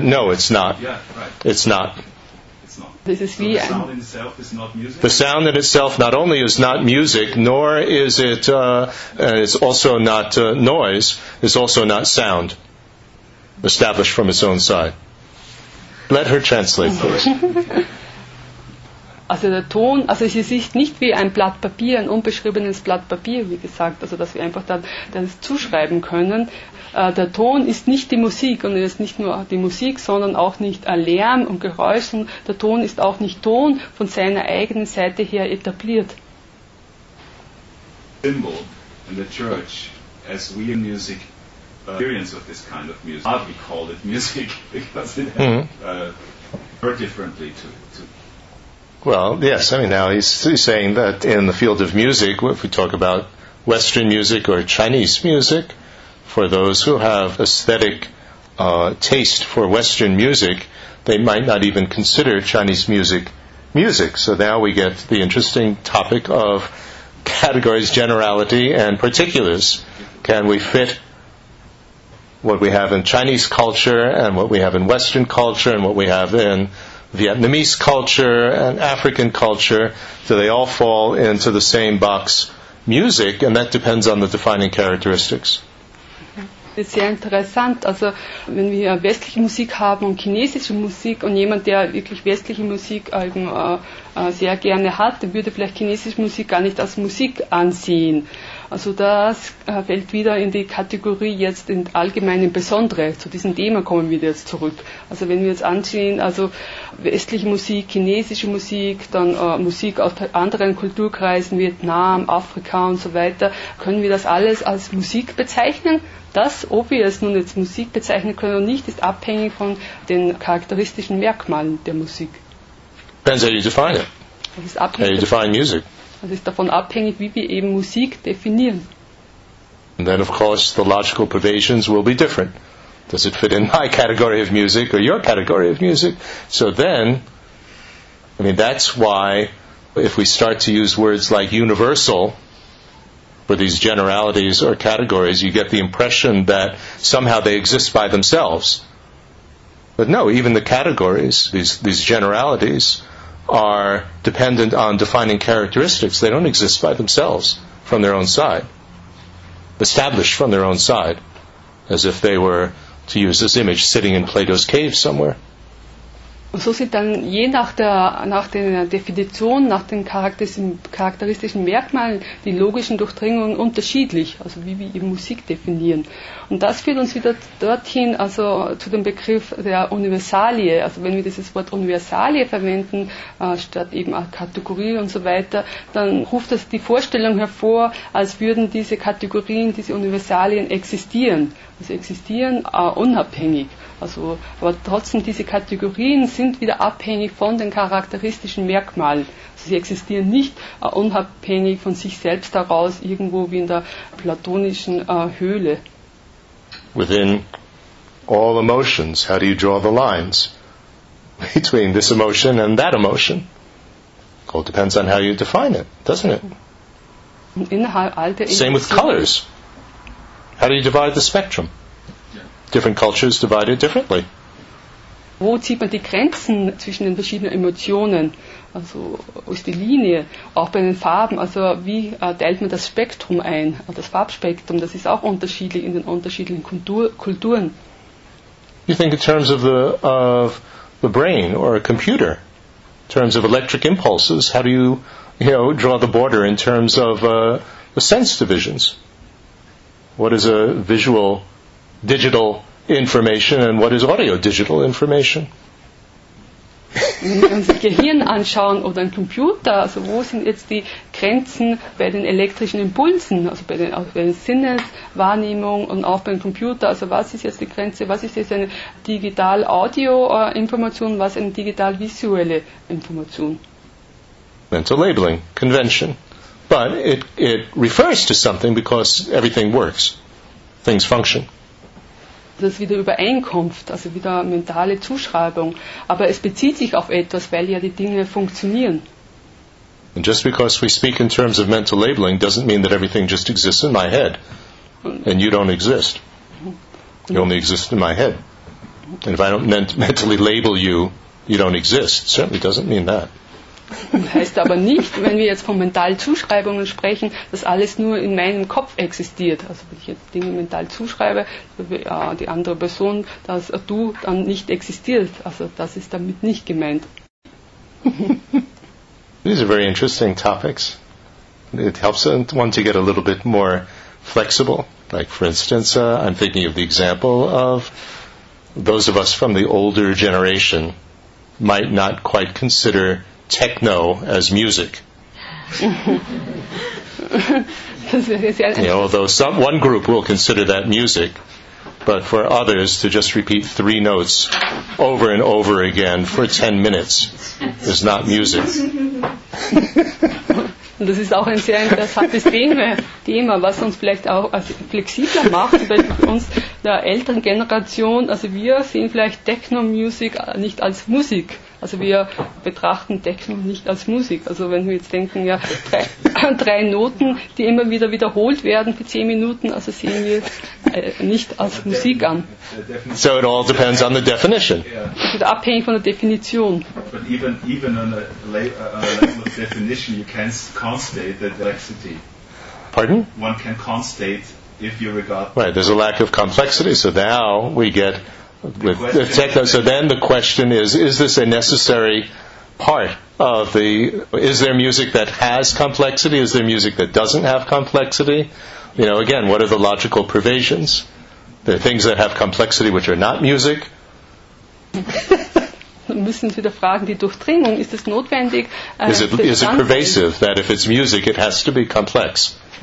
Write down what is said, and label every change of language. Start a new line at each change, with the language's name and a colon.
English: No, it's not. It's not. This is so the sound in itself is not music. The sound in itself not only is not music, nor is it it's also not noise, it's also not sound established from its own side. Let her translate, please.
German: Also der Ton, also es ist nicht wie ein Blatt Papier, ein unbeschriebenes Blatt Papier, wie gesagt, also dass wir einfach dann das zuschreiben können. Der Ton ist nicht die Musik und es ist nicht nur die Musik, sondern auch nicht Lärm und Geräusch. Und der Ton ist auch nicht Ton von seiner eigenen Seite her etabliert.
English: Symbol in the church, as we in music experience of this kind of music. Hardly call it music because it very differently to. Well, yes, I mean, now he's saying that in the field of music, if we talk about Western music or Chinese music, for those who have aesthetic taste for Western music, they might not even consider Chinese music music. So now we get the interesting topic of categories, generality, and particulars. Can we fit what we have in Chinese culture and what we have in Western culture and what we have in Vietnamese culture and African culture, do they all fall into the same box? Music, and that depends on the defining characteristics.
German: Das ist sehr interessant. Also, wenn wir westliche Musik haben und chinesische Musik und jemand, der wirklich westliche Musik eben sehr gerne hat, der würde vielleicht chinesische Musik gar nicht als Musik ansehen. Also das fällt wieder in die Kategorie jetzt in allgemeinen Besondere. Zu diesem Thema kommen wir jetzt zurück. Also wenn wir jetzt ansehen, also westliche Musik, chinesische Musik, dann Musik aus anderen Kulturkreisen, Vietnam, Afrika und so weiter, können wir das alles als Musik bezeichnen? Das, ob wir es nun jetzt Musik bezeichnen können oder nicht, ist abhängig von den charakteristischen Merkmalen der Musik.
English: Depends how you define it.
German: Das ist abhängig.
English: How you define music.
German: Das ist davon abhängig, wie wir eben Musik definieren.
English: And then, of course, the logical pervasions will be different. Does it fit in my category of music or your category of music? So then, I mean, that's why if we start to use words like universal for these generalities or categories, you get the impression that somehow they exist by themselves. But no, even the categories, these generalities, are dependent on defining characteristics. They don't exist by themselves from their own side, established from their own side, as if they were, to use this image, sitting in Plato's cave somewhere.
German: So sind dann je nach der Definition, nach den charakteristischen Merkmalen, die logischen Durchdringungen unterschiedlich, also wie wir eben Musik definieren. Und das führt uns wieder dorthin, also zu dem Begriff der Universalie. Also wenn wir dieses Wort Universalie verwenden, statt eben auch Kategorie und so weiter, dann ruft das die Vorstellung hervor, als würden diese Kategorien, diese Universalien existieren. Also existieren unabhängig. Also, aber trotzdem, diese Kategorien sind wieder abhängig von den charakteristischen Merkmalen. Also sie existieren nicht unabhängig von sich selbst heraus, irgendwo wie in der platonischen Höhle.
English: Within all emotions, how do you draw the lines between this emotion and that emotion? All depends on how you define it, doesn't it?
German: Und innerhalb all der
English: Emotionen. Same with colors. How do you divide the spectrum? Different cultures divide it differently.
German: Wo zieht man die Grenzen zwischen den verschiedenen Emotionen? Also wo ist die Linie? Auch bei den Farben. Also wie teilt man das Spektrum ein? Das Farbspektrum, das ist auch unterschiedlich in den unterschiedlichen Kulturen.
English: You think in terms of the brain or a computer, in terms of electric impulses, how do you, you know, draw the border in terms of the sense divisions? What is a visual digital information and what is audio digital information?
German: wenn wir unser Gehirn anschauen oder einen Computer, also wo sind jetzt die Grenzen bei den elektrischen Impulsen, also bei der Sinneswahrnehmung und auch beim Computer, also was ist jetzt die Grenze, was ist jetzt eine digital-audio-Information, was eine digital-visuelle Information?
English: Mental labeling, convention. But it refers to something because everything works. Things function.
German: Das ist wieder Übereinkunft, also wieder mentale Zuschreibung. Aber es bezieht sich auf etwas, weil ja die Dinge funktionieren.
English: And just because we speak in terms of mental labeling doesn't mean that everything just exists in my head. And you don't exist. You only exist in my head. And if I don't mentally label you, you don't exist. Certainly doesn't mean that.
German: Heißt aber nicht, wenn wir jetzt von mentalen Zuschreibungen sprechen, dass alles nur in meinem Kopf existiert. Also wenn ich jetzt Dinge mental zuschreibe, die andere Person, dass du dann nicht existierst. Also das ist damit nicht gemeint.
English: These are very interesting topics. It helps one to get a little bit more flexible. Like for instance, I'm thinking of the example of those of us from the older generation might not quite consider techno as music. Although one group will consider that music, but for others to just repeat three notes over and over again for 10 minutes is not music.
German: Das ist auch ein sehr interessantes Thema, was uns vielleicht auch flexibler macht, weil uns der älteren Generation, also wir sehen vielleicht Techno-Music nicht als Musik. Also wir betrachten Techno nicht als Musik. Also wenn wir jetzt denken, ja, drei Noten, die immer wieder wiederholt werden für 10 Minuten, also sehen wir es nicht als Musik an.
English: So it all depends on the definition.
German: Yeah. Abhängig von der Definition.
English: But even on a label definition, you can't state the complexity. Pardon? One can can't state if you regard... Right, there's a lack of complexity, so now we get... With the techno, so then the question is this a necessary part of the, is there music that has complexity? Is there music that doesn't have complexity? You know, again, what are the logical provisions? There are things that have complexity which are not music.
German: Müssen Sie da fragen, die Durchdringung, ist es notwendig?
English: Is it pervasive that if it's music, it has to be complex?